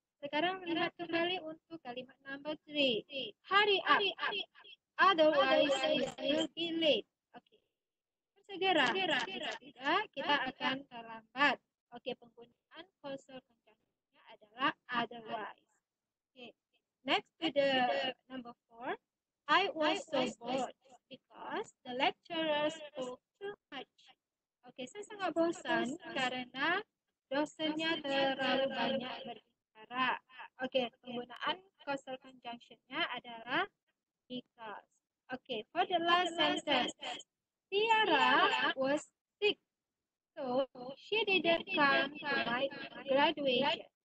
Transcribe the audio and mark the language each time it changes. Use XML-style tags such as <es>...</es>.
<id>Sekarang lihat kembali untuk kalimat number 3.</id> <en>Hurry up, otherwise you'll be late.</en> <id>Oke, bersegera. Jika tidak, kita akan terlambat. Oke, penggunaan causal conjunctionnya adalah otherwise.</id> <en>Oke, next to the number 4. I was so bored because the lecturer spoke too much.</en> <id>Okay, saya sangat bosan karena dosennya terlalu banyak berbicara. Okay, penggunaan causal conjunction-nya adalah because.</id> <en>Okay, for the last sentence, Tiara was sick, so she didn't come to my graduation.</en>